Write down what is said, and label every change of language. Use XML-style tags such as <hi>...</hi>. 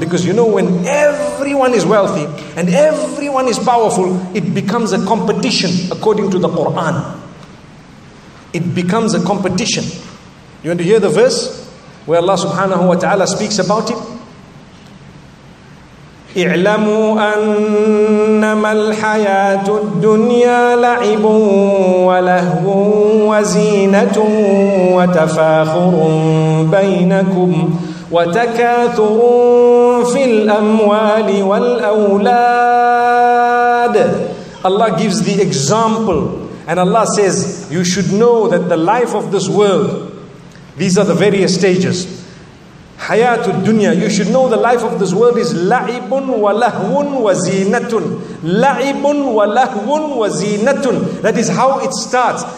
<en>Because you know, when everyone is wealthy and everyone is powerful, it becomes a competition according to the Quran. It becomes a competition. You want to hear the verse where Allah subhanahu wa ta'ala speaks about it?</en> <ar>اعلموا أنما الحياة الدنيا لعب ولهو وزينة وتفاخر بينكم وتكاثر في الأموال والأولاد.</ar> <en>Allah gives the example and Allah says, you should know that the life of this world These are the various stages.</en> <ar>Hayatul dunya.</ar> <en>You should know the life of this world is</en> <ar>la'ibun wa lahwun wa zinatun. La'ibun wa lahwun wa zinatun.</ar> <en>That is how it starts.</en>